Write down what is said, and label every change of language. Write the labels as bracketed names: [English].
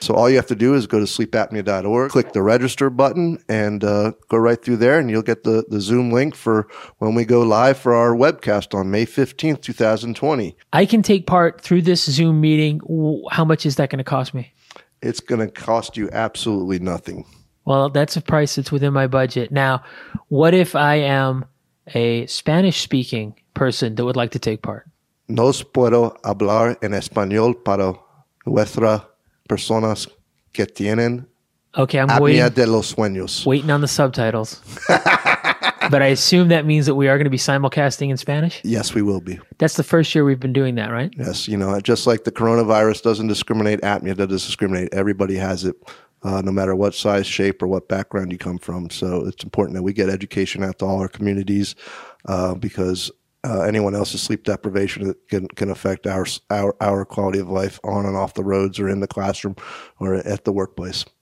[English] So all you have to do is go to sleepapnea.org, click the register button, and go right through there, and you'll get the Zoom link for when we go live for our webcast on May 15th, 2020. I can take part through this Zoom meeting. How much is that going to cost me? It's going to cost you absolutely nothing. Well, that's a price that's within my budget. Now, what if I am a Spanish-speaking person that would like to take part? [Spanish] No puedo hablar en español para nuestras personas que tienen apnea de los sueños. [English] Waiting on the subtitles. But I assume that means that we are going to be simulcasting in Spanish? Yes, we will be. That's the first year we've been doing that, right? Yes. You know, just like the coronavirus doesn't discriminate, apnea doesn't discriminate. Everybody has it, no matter what size, shape, or what background you come from. So it's important that we get education out to all our communities because anyone else's sleep deprivation can affect our quality of life on and off the roads or in the classroom or at the workplace.